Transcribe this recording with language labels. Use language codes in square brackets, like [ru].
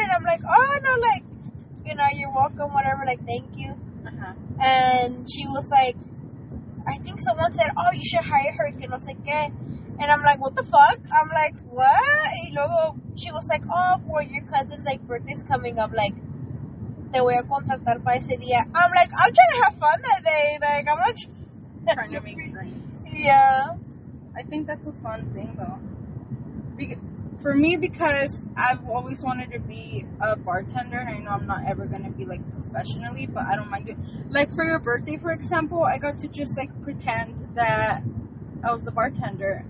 [en] And I'm like, oh, no, like, you know, you're welcome, whatever. Like, thank you. Uh-huh. And she was like, I think someone said, oh, you should hire her, [es] que no sé qué. [en] And I'm like, what the fuck? I'm like, what? And luego, she was like, oh, boy, your cousin's, like, birthday's coming up. [es] Like, te voy a contratar para ese día. [en] I'm like, I'm trying to have fun that day. Like, I'm not trying to make drinks. Yeah. I think that's a fun thing, though. For me, because I've always wanted to be a bartender. And I know I'm not ever going to be, like, professionally. But I don't mind it. Like, for your birthday, for example, I got to just, like, pretend that I was the bartender.